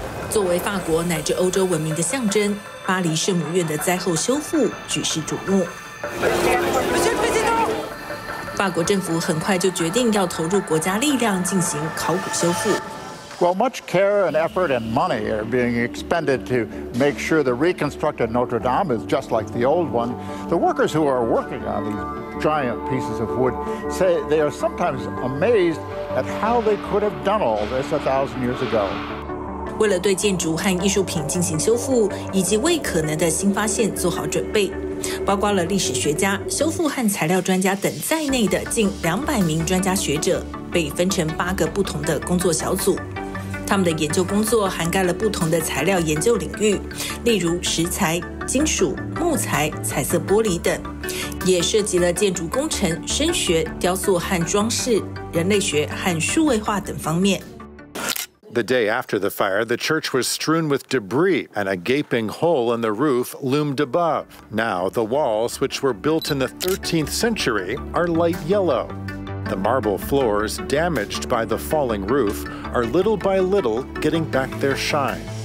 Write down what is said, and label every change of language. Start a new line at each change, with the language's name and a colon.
Chinese: 作为法国乃至欧洲文明的象征，巴黎圣母院的灾后修复举世瞩目。法国政府很快就决定要投入国家力量进行考古修复。
English: Well, much care and effort and money are being expended to make sure the reconstructed Notre Dame is just like the old one. The workers who are working on these giant pieces of wood say they are sometimes amazed at how they could have done all this 1,000 years ago.
Chinese: 为了对建筑和艺术品进行修复，以及为可能的新发现做好准备，包括了历史学家、修复和材料专家等在内的近200名专家学者被分成8个不同的工作小组。他们的研究工作涵盖了不同的材料研究领域，例如石材、金属、木材、彩色玻璃等，也涉及了建筑工程、声学、雕塑和装饰、人类学和数位化等方面。
English: The day after the fire, the church was strewn with debris and a gaping hole in the roof loomed above. Now, the walls, which were built in the 13th century, are light yellow. The marble floors, damaged by the falling roof, are little by little getting back their shine.